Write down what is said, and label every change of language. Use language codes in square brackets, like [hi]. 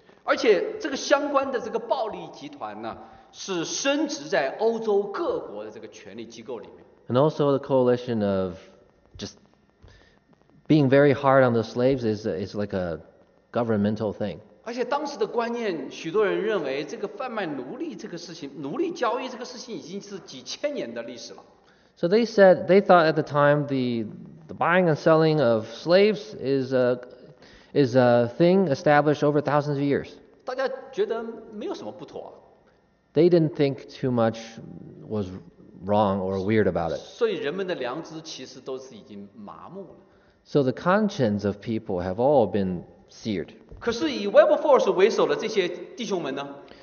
[zh] 而且这个相关的这个暴力集团呢，是升值在欧洲各国的这个权力机构里面。 [en] And also the coalition of just being very hard on the slaves is like a governmental thing. [zh] 而且当时的观念，许多人认为这个贩卖奴隶这个事情，奴隶交易这个事情已经是几千年的历史了。 [en] So they thought at the time the buying and selling of slaves is a thing established over thousands of years. [zh] 大家觉得没有什么不妥啊。 [en] They didn't think too much was wrong or weird about it. [zh] 所以人们的良知其实都是已经麻木了。 [en] So the conscience of people have all been seared. [zh] 可是以 Wilberforce 为首的这些弟兄们呢？